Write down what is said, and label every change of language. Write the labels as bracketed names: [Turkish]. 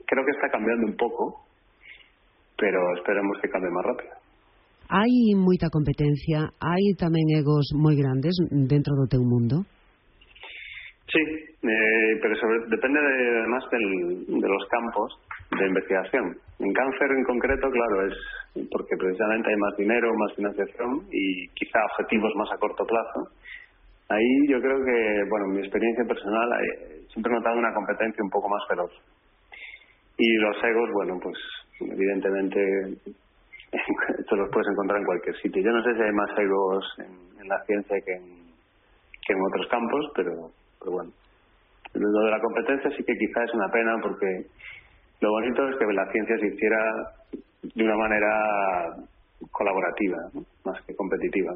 [Spanish] Creo que está cambiando un poco, pero esperemos que cambie más rápido. [Galician] Hai moita competencia, hai tamén egos moi grandes dentro do teu mundo? [Spanish] Sí, pero depende además de los campos de investigación. En cáncer en concreto, claro, es porque precisamente [Galician] hai máis dinero, máis financiación e quizá objetivos máis [Spanish] a corto plazo. Aí yo creo que, bueno, mi experiencia personal, sempre he notado [Galician] unha competencia un pouco máis [Spanish] feroz. E los egos, bueno, pues evidentemente esto los puedes encontrar en cualquier sitio. Yo no sé si hay más egos en la ciencia que en otros campos, pero bueno. Lo de la competencia sí que quizás es una pena, porque lo bonito es que la ciencia se hiciera de una manera colaborativa, ¿no? Más que competitiva.